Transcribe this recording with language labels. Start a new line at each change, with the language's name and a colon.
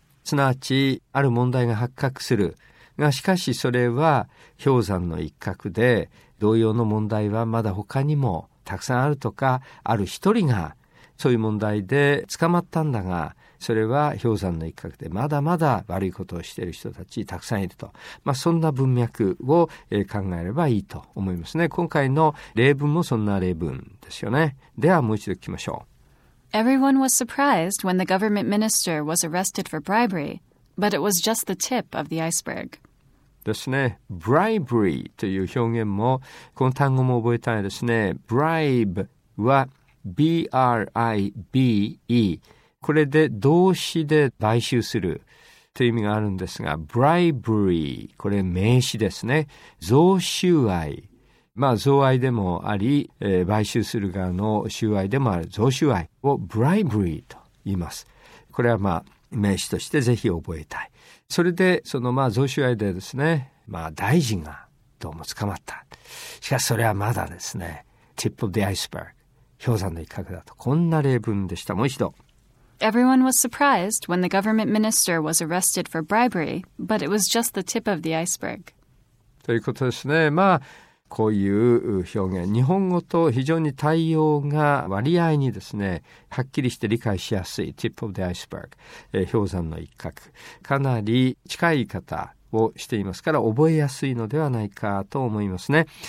Japanese: すなわち、ある問題が発覚する。が、しかしそれは氷山の一角で、同様の問題はまだ他にもたくさんあるとか、ある一人がそういう問題で捕まったんだが、それは氷山の一角でまだまだ悪いことをしている人たちたくさんいると、まあ、そんな文脈を考えればいいと思いますね。今回の例文もそんな例文ですよね。ではもう一度聞きましょう。
English: Everyone was surprised when the government minister was arrested for bribery, but it was just the tip of the iceberg
Japanese: ですね。bribery という表現も、この単語も覚えたいですね。 bribe は b-r-i-b-e。これで動詞で買収するという意味があるんですが、bribery、これ名詞ですね。贈収賄。まあ、贈賄でもあり、買収する側の収賄でもある贈収賄を bribery と言います。これはまあ、名詞としてぜひ覚えたい。それでそのまあ贈収賄でですね、まあ大臣がどうも捕まった。しかしそれはまだですね、
English: tip of the iceberg、
Japanese: 氷山の一角だと。こんな例文でした。もう一度。
English: Everyone was surprised when the government minister was arrested for bribery, but it was just the tip of the iceberg.
Japanese: ということですね。まあこういう表現、日本語と非常に対応が割合にですね、はっきりして理解しやすい。
English: tip of the iceberg、
Japanese: 氷山の一角、かなり近い言い方をしていますから覚えやすいのではないかと思いますね。